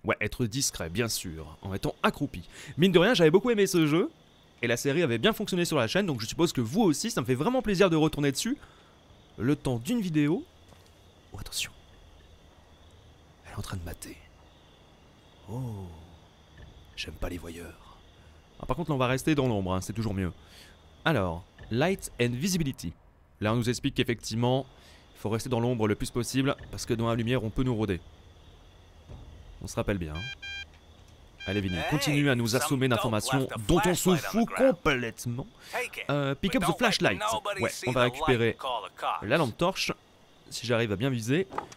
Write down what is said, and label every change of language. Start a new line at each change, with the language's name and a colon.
French: Ouais, être discret, bien sûr, en étant accroupi. Mine de rien, j'avais beaucoup aimé ce jeu, et la série avait bien fonctionné sur la chaîne, donc je suppose que vous aussi, ça me fait vraiment plaisir de retourner dessus. Le temps d'une vidéo... Oh, attention. Elle est en train de mater. Oh, j'aime pas les voyeurs. Ah, par contre, là, on va rester dans l'ombre, hein, c'est toujours mieux. Alors, Light and Visibility. Là, on nous explique qu'effectivement, il faut rester dans l'ombre le plus possible, parce que dans la lumière, on peut nous rôder. On se rappelle bien. Allez, Vinny, continue à nous assommer d'informations dont on se fout complètement.
English: Pick up the flashlight.
French: Ouais, on va récupérer la lampe torche, si j'arrive à bien viser.